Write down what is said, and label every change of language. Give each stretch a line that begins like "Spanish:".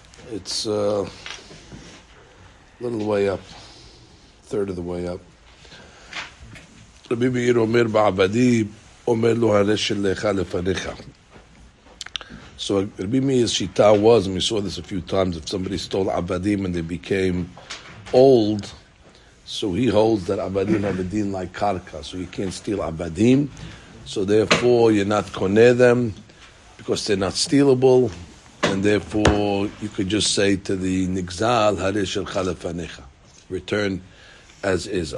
English: It's a little way up, third of the way up.
Hebrew: רבי מאיר אומר בעבדי, אומר לו הרי שלך לפניך.
English: So רבי מאיר's שיטה was, and we saw this a few times, if somebody stole עבדים and they became old, so he holds that abadim have a din like karka, so you can't steal abadim, so therefore you're not kone them because they're not stealable, and therefore you could just say to the nigzal harishel chalafanecha, return as is.